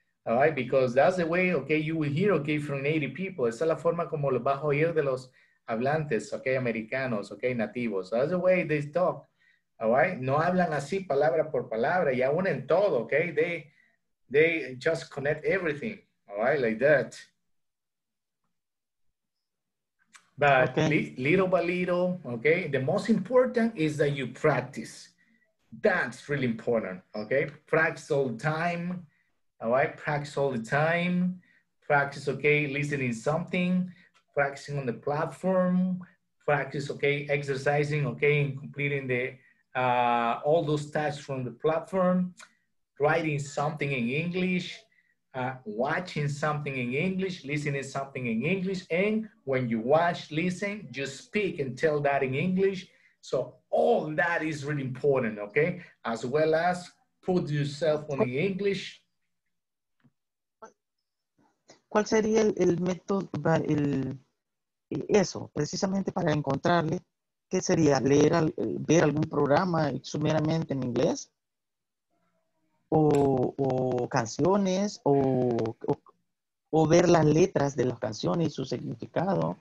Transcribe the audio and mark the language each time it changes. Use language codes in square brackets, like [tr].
[en] All right, because that's the way, okay, you will hear, okay, from native people. [es] Esa es la forma como los vas a oír de los hablantes, okay, americanos, okay, nativos. [en] So that's the way they talk. All right, [es] no hablan así palabra por palabra y aún en todo, [en] okay, they just connect everything. All right, like that. But okay. Little by little, okay, the most important is that you practice. That's really important, okay? Practice all the time, all right? Practice all the time. Practice, okay, listening something, practicing on the platform, practice, okay, exercising, okay, and completing the all those tasks from the platform, writing something in English, watching something in English, listening something in English, and when you watch, listen, just speak and tell that in English. So all that is really important, okay? As well as put yourself on the English. [es] ¿Cuál sería el método, el, eso, precisamente para encontrarle, qué sería, leer, ver algún programa sumeramente en inglés? O canciones, o ver las letras de las canciones y su significado.